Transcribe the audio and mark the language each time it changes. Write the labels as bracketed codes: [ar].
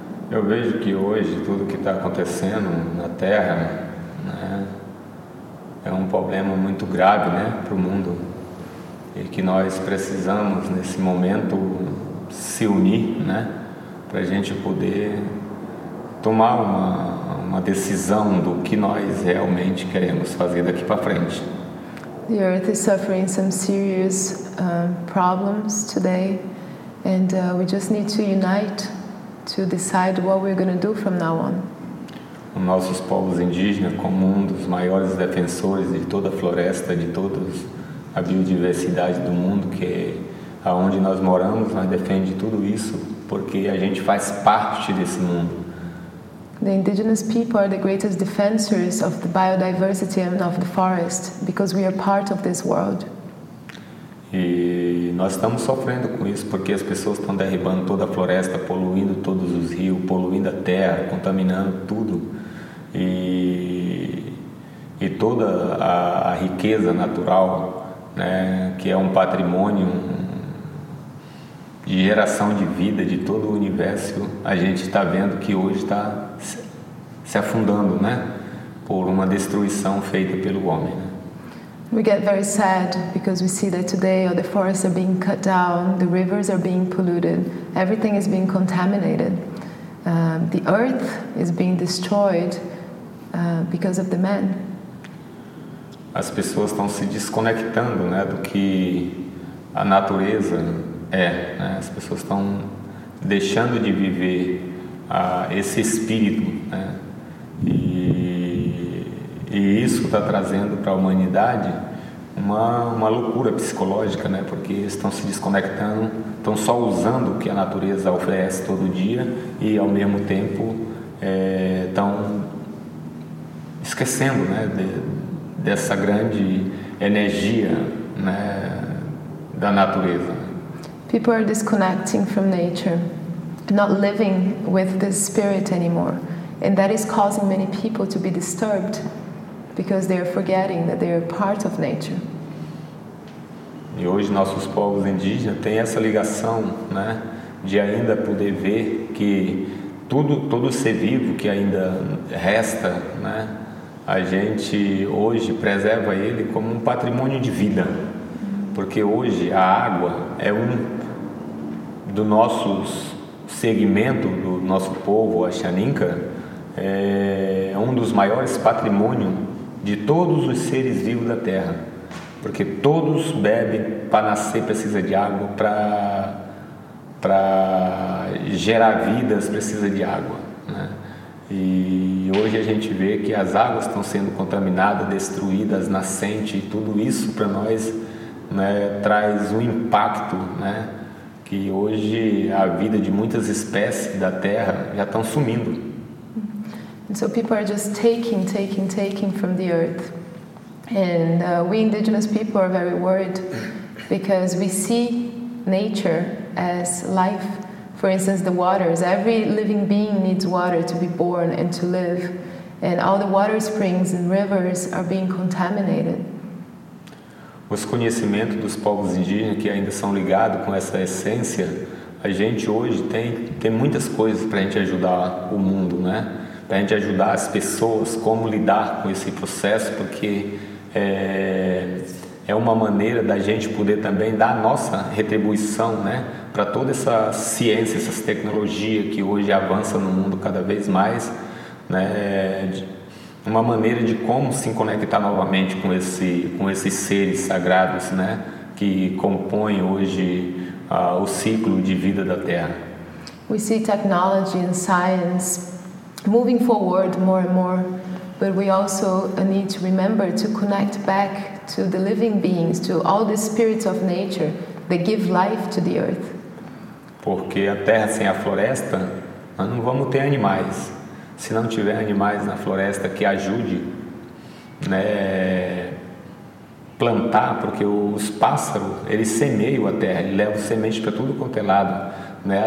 [pt] Eu vejo que hoje tudo que está acontecendo na Terra, né, é um problema muito grave, né, para o mundo. E que nós precisamos, nesse momento, se unir, né, para a gente poder tomar uma decisão do que nós realmente queremos fazer daqui para frente. [en] The Earth is suffering some serious problems today, and we just need to unite to decide what we're going to do from now on. [pt] Os nossos povos indígenas como um dos maiores defensores de toda a floresta, de toda a biodiversidade do mundo, que é aonde nós moramos, nós defende tudo isso porque a gente faz parte desse mundo. [en] The indigenous people are the greatest defenders of the biodiversity and of the forest because we are part of this world. [pt] E nós estamos sofrendo com isso porque as pessoas estão derribando toda a floresta, poluindo todos os rios, poluindo a terra, contaminando tudo. E toda a riqueza natural, né, que é um patrimônio de geração de vida de todo o universo, a gente está vendo que hoje está se afundando, né, por uma destruição feita pelo homem. [en] We get very sad because we see that today all the forests are being cut down, the rivers are being polluted, everything is being contaminated. The earth is being destroyed because of the man. [pt] As pessoas estão se desconectando, né, do que a natureza é, né? As pessoas estão deixando de viver esse espírito, né? E isso está trazendo para a humanidade uma loucura psicológica, né? Porque estão se desconectando, estão só usando o que a natureza oferece todo dia e, ao mesmo tempo, estão esquecendo, né, dessa grande energia, né, da natureza. [en] People are disconnecting from nature, not living with this spirit anymore. And that is causing many people to be disturbed because they are forgetting that they are part of nature. [pt] E hoje nossos povos indígenas têm essa ligação, né, de ainda poder ver que todo ser vivo que ainda resta, né, a gente hoje preserva ele como um patrimônio de vida. Porque hoje a água é um dos nossos segmento do nosso povo, a Xaninca, é um dos maiores patrimônios de todos os seres vivos da Terra. Porque todos bebem, para nascer precisa de água, para gerar vidas precisa de água. Né? E hoje a gente vê que as águas estão sendo contaminadas, destruídas, nascentes, e tudo isso para nós, né, traz um impacto, né, que hoje a vida de muitas espécies da Terra já estão sumindo. [en] So people are just taking from the earth. And we indigenous people are very worried because we see nature as life. For instance, the waters. Every living being needs water to be born and to live. And all the water springs and rivers are being contaminated. [pt] Os conhecimentos dos povos indígenas que ainda são ligados com essa essência, a gente hoje tem muitas coisas para a gente ajudar o mundo, né? Para a gente ajudar as pessoas como lidar com esse processo, porque é uma maneira da gente poder também dar a nossa retribuição, né, para toda essa ciência, essas tecnologias que hoje avançam no mundo cada vez mais, né, uma maneira de como se conectar novamente com esses seres sagrados, né, que compõem hoje o ciclo de vida da Terra. [en] We see technology and science moving forward more and more. But we also need to remember to connect back to the living beings, to all the spirits of nature that give life to the earth. [pt] Porque a terra sem a floresta, nós não vamos ter animais. Se não tiver animais na floresta que ajude, né, plantar, porque os pássaros, eles semeiam a terra, eles levam semente para tudo quanto é lado, né?